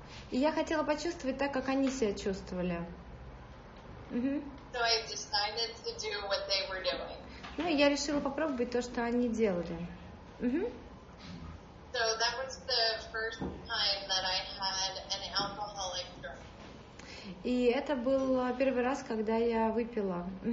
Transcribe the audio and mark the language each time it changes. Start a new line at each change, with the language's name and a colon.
Russian: И я хотела почувствовать так, как они себя чувствовали.
English: So I decided to do what they were doing.
Russian: Ну, я решила попробовать то, что они делали.
English: So that was the first time that I had an alcoholic drink.
Russian: И это был первый раз, когда я выпила.